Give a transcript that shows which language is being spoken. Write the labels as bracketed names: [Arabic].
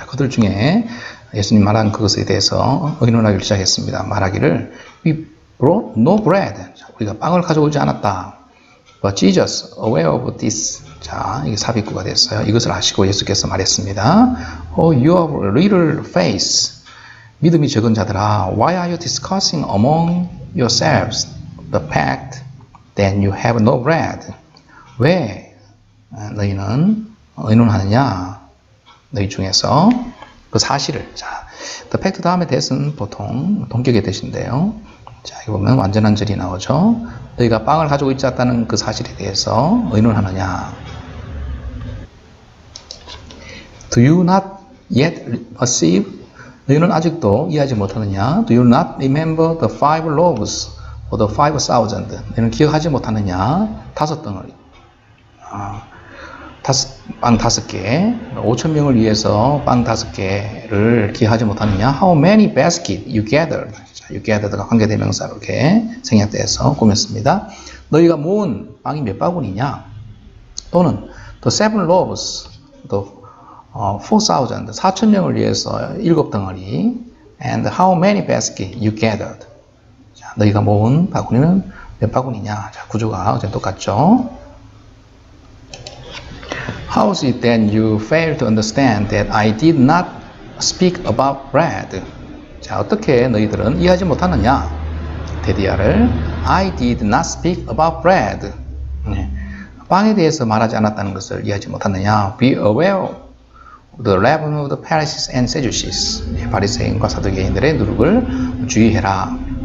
[Korean] 그들 중에 예수님 말한 그것에 대해서 의논하기 시작했습니다. 말하기를, [English] We brought no bread. [Korean] 자, 우리가 빵을 가져오지 않았다. [English] But Jesus, aware of this. [Korean] 자, 이게 삽입구가 됐어요. 이것을 아시고 예수께서 말했습니다. [English] Oh, you have little faith. [Korean] 믿음이 적은 자들아, [English] why are you discussing among yourselves the fact that you have no bread? [Korean] 왜 너희는 의논하느냐? 너희 중에서 그 사실을. 자, [English] the fact [Korean] 다음에 that은 보통 동격의 뜻인데요. 자, 여기 보면 완전한 절이 나오죠. 너희가 빵을 가지고 있지 않다는 그 사실에 대해서 의논하느냐? [English] Do you not yet perceive? [Korean] 너희는 아직도 이해하지 못하느냐? [English] Do you not remember the five loaves or the 5,000? [Korean] 너희는 기억하지 못하느냐? 다섯 덩어리. 빵 다섯 개. 5,000명을 위해서 빵 다섯 개를 기억하지 못하느냐? [English] How many baskets you gathered? 자, you gathered가 [Korean] 관계대명사로 이렇게 생략돼서 꾸몄습니다. 너희가 모은 빵이 몇 바구니냐? 또는 [English] the 7 loaves, the 4,000, [Korean] 4,000명을 위해서 일곱 덩어리. [English] And how many baskets you gathered? [Korean] 자, 너희가 모은 바구니는 몇 바구니냐? 자, 구조가 어제 똑같죠? [English] How is it that you fail to understand that I did not speak about bread? [Korean] 자, 어떻게 너희들은 이해하지 못하느냐? [English] 대디아를, I did not speak about bread. 네. [Korean] 빵에 대해서 말하지 않았다는 것을 이해하지 못하느냐? [English] Be aware of the leaven of the Pharisees and Sadducees. [Korean] 네, 바리새인과 사두개인들의 누룩을 주의해라.